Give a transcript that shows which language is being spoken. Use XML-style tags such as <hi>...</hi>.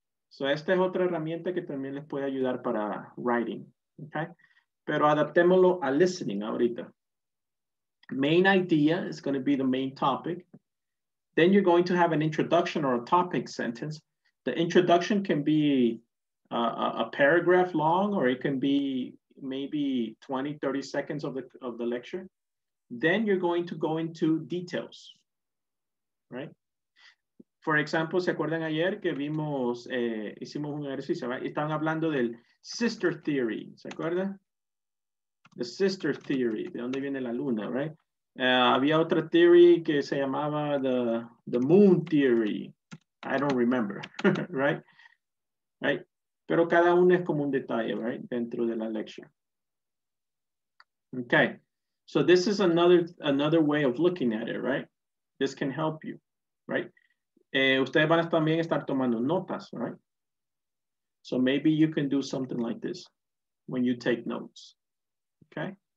<es>So esta es otra herramienta que también les puede ayudar para writing. Okay. Pero adaptémoslo a listening ahorita.</es> <en>Main idea is going to be the main topic. Then you're going to have an introduction or a topic sentence. The introduction can be a paragraph long, or it can be maybe 20, 30 seconds of the lecture. Then you're going to go into details, right?</en> <es>For example, ¿se acuerdan ayer que vimos, hicimos un ejercicio? ¿Verdad? Estaban hablando del sister theory, ¿se acuerdan? The sister theory, ¿de dónde viene la luna, right? Había otra theory que se llamaba the moon theory.</es> <en>I don't remember,</en> <es>right? Right? Pero cada uno es como un detalle, right? Dentro de la lecture. Okay.</es> <en>So this is another way of looking at it, right? This can help you, right?</en> <es>Ustedes van a también estar tomando notas, right?</es> <en>So maybe you can do something like this when you take notes, okay?</en>